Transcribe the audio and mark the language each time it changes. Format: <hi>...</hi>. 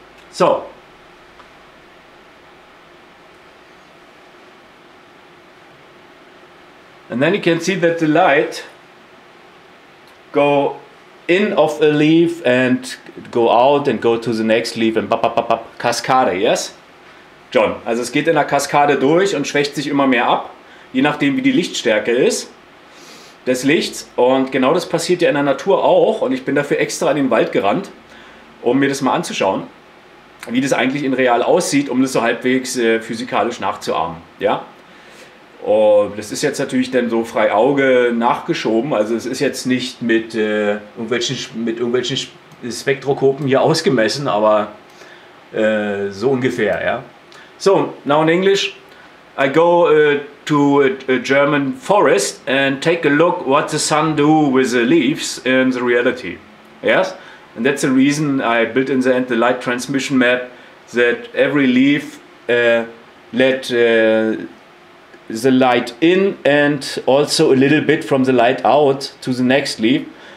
<en>So, and then you can see that the light go in of a leaf and go out and go to the next leaf and bap, Kaskade, yes?</en> <de>John, also es geht in der Kaskade durch und schwächt sich immer mehr ab, je nachdem wie die Lichtstärke ist des Lichts. Und genau das passiert ja in der Natur auch, und ich bin dafür extra in den Wald gerannt, um mir das mal anzuschauen, wie das eigentlich in real aussieht, um das so halbwegs physikalisch nachzuahmen, ja? Oh, das ist jetzt natürlich dann so frei Auge nachgeschoben, also es ist jetzt nicht mit irgendwelchen Spektrokopen hier ausgemessen, aber So ungefähr, ja.</de> <en>So, now in English. I go to a German forest and take a look what the sun do with the leaves in the reality. Yes? And that's the reason I built in the end the light transmission map, that every leaf let the light in and also a little bit from the light out to the next leaf.</en>